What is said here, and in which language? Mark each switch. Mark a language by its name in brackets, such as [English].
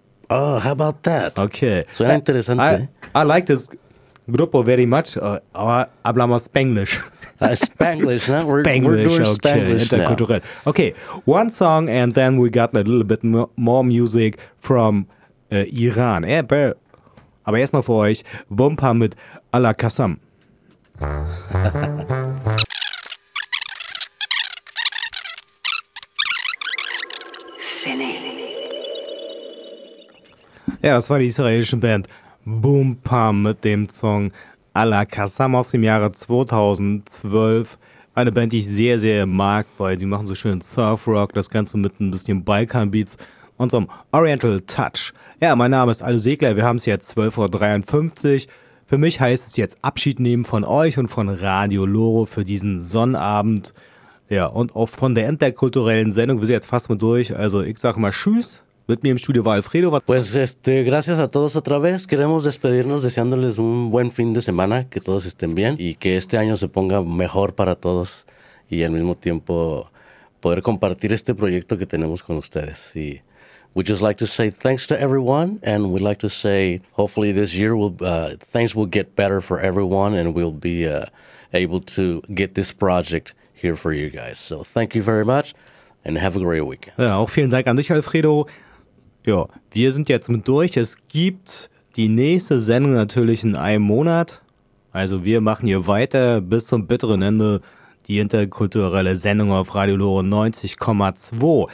[English] Oh, how about that? Okay. [Spanish] Suena interesante. [English] I like this grupo very much. [Spanish] Hablamos Spanglish. Spanglish, no? Spanglish, [English] we're doing Spanglish, [German] okay. Interkulturell. [English] Okay, one song and then we got a little bit more music from Iran. [German] Aber erstmal für euch, Bumper mit Ala Kassam. Ja, das war die israelische Band Boom Pam mit dem Song Ala Kassam aus dem Jahre 2012. Eine Band, die ich sehr, sehr mag, weil sie machen so schön Surfrock, das Ganze mit ein bisschen Balkan-Beats und so einem Oriental Touch. Ja, mein Name ist Aldo Segler, wir haben es jetzt 12.53 Uhr. Für mich heißt es jetzt Abschied nehmen von euch und von Radio Loro für diesen Sonnabend. Ja, und auch von der interkulturellen Sendung, wir sind jetzt fast mal durch. Also ich sage mal Tschüss. Mit mir im Studio war Alfredo. [Spanish] Pues gracias a todos otra vez. Queremos despedirnos deseándoles un buen fin de semana, que todos estén bien y que este año se ponga mejor para todos y al mismo tiempo poder compartir este proyecto que tenemos con ustedes. [English] Y we just like to say thanks to everyone and we'd like to say hopefully this year things will get better for everyone and we'll be able to get this project here for you guys. So thank you very much and have a great weekend. [German] Ja, auch vielen Dank an dich, Alfredo. Ja, wir sind jetzt mit durch. Es gibt die nächste Sendung natürlich in einem Monat. Also wir machen hier weiter bis zum bitteren Ende die interkulturelle Sendung auf Radio Loro 90,2.